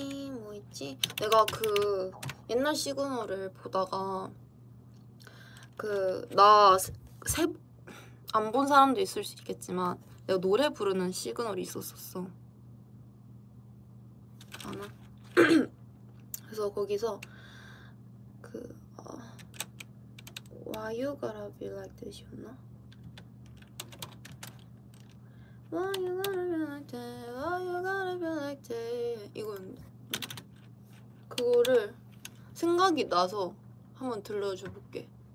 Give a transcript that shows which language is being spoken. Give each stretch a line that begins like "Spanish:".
Korean: 뭐 있지? 내가 그 옛날 시그널을 보다가 그나세안본 사람도 있을 수 있겠지만 내가 노래 부르는 시그널이 있었었어. 아나? 그래서 거기서 그
English: Why you gotta be like this, you know? Why you gotta be like this? Why you gotta be like this?
Korean: 이건 그거를 생각이 나서 한번 들려줘 볼게.